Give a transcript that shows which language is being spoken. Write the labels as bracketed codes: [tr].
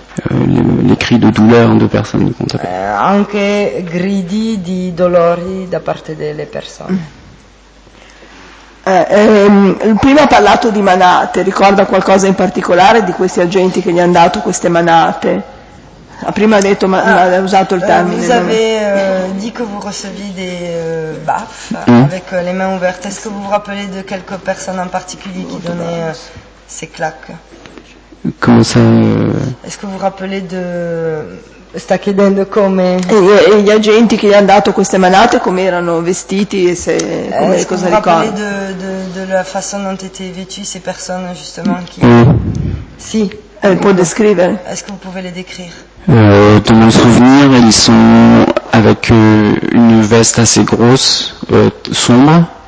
[fr] Les cris de douleur de personnes. [it] Anche gridi di dolori da parte delle persone. Prima ha parlato di manate, ricorda qualcosa in particolare di questi agenti che gli hanno dato queste manate? Prima ha detto, ha usato il termine. [fr] Vous avez dit que vous receviez des baffes avec les mains ouvertes. Est-ce que vous vous rappelez de quelque personne en particulier qui donnait ces claques? Comment ça? Est-ce que vous vous rappelez de... [it] Sta chiedendo come e gli agenti che gli hanno dato queste manate come erano vestiti e se come cosa ricordi [fr] de la façon dont étaient vêtues ces personnes justement qui [it] si può descrivere. [fr] Est-ce que vous pouvez les décrire? De mon souvenir, ils sont avec une veste assez grosse, sombre.